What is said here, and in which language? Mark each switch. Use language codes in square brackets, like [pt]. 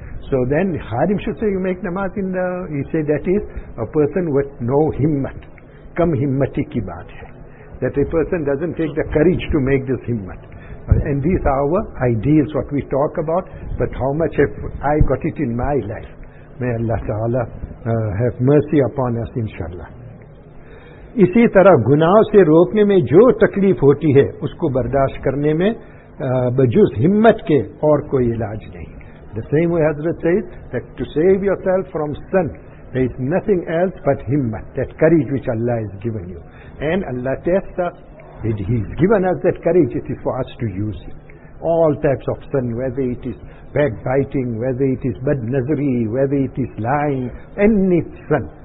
[en] So then Harim should say, you make namaz in the... He said that is a person with no himmat. [ur] Kam himmati ki baat hai. [en] That a person doesn't take the courage to make this himmat. And these are our ideals, what we talk about. But how much have I got it in my life? May Allah Ta'ala have mercy upon us, inshallah. [ur] اسی طرح گناہوں سے روکنے میں جو تکلیف ہوتی ہے اس کو برداشت کرنے میں بجز ہمت کے اور کوئی علاج نہیں. [en] The same way Hazrat says that to save yourself from sin, there is nothing else but himmat, that courage which Allah has given you. And Allah tests us, He has given us that courage, it is for us to use it. all types of sin, whether it is backbiting, whether it is bad nazri, whether it is lying, any sin.